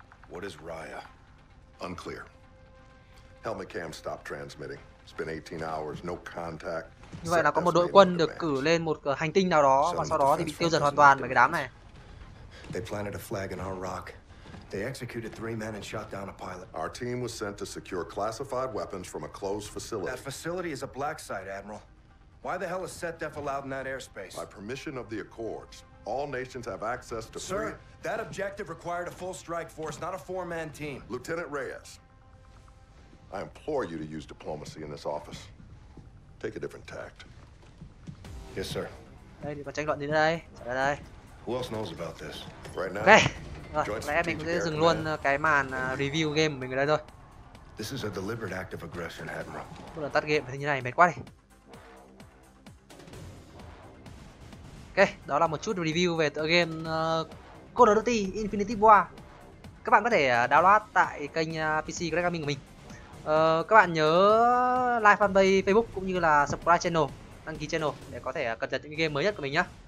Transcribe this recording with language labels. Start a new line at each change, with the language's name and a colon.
English: What is Raya? Unclear. Helmet cam stopped transmitting. It's been 18 hours, no contact.
Vietnamese: Như vậy là có một đội quân được cử lên một hành tinh nào đó và sau đó thì bị tiêu diệt hoàn toàn bởi cái đám này.
English: They planted a flag in our rock. They executed three men and shot down a pilot. Our team was sent to secure classified weapons from a closed facility. That facility is a black site, Admiral. Why the hell is SETDEF allowed in that airspace? By permission of the Accords, all nations have access to Sir, that objective required a full strike force, not a four-man team. Lieutenant Reyes, I implore you to use diplomacy in this office. Take a different tact. Yes, sir.
Vietnamese: Đây, có tranh luận gì đây? Trở đây.
English: Who else knows about this? Right now. Okay.
Vietnamese: Rồi, lẽ mình sẽ dừng luôn cái màn review game mình ở đây thôi.
English: This is a deliberate act of aggression, Admiral.
Vietnamese: Tôi đã tắt game như này mệt quá đi. Okay, đó là một chút review về tựa game Call of Duty Infinity War. Các bạn có thể download tại kênh PC Greg Gaming của mình. Các bạn nhớ like fanpage Facebook cũng như là subscribe channel, đăng ký channel để có thể cập nhật những game mới nhất của mình nhé.